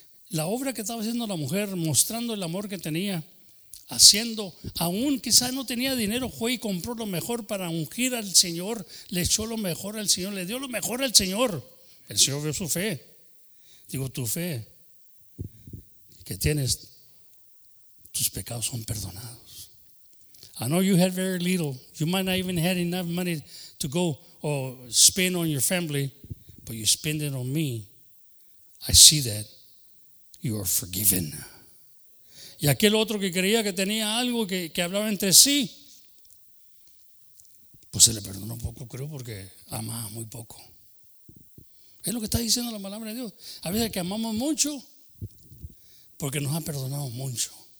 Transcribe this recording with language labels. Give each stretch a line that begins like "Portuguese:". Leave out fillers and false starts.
Spanish: La obra que estaba haciendo la mujer, mostrando el amor que tenía, haciendo, aún quizás no tenía dinero, fue y compró lo mejor para ungir al Señor, le echó lo mejor al Señor, le dio lo mejor al Señor. El Señor vio su fe. Digo, tu fe que tienes, tus pecados son perdonados.
English: I know you had very little. You might not even had enough money to go or spend on your family, but you spend it on me. I see that you are forgiven.
Spanish: Y aquel otro que creía que tenía algo que hablaba entre sí, pues se le perdonó poco, creo, porque amaba muy poco. Es lo que está diciendo la palabra de Dios. A veces que amamos mucho porque nos ha perdonado mucho.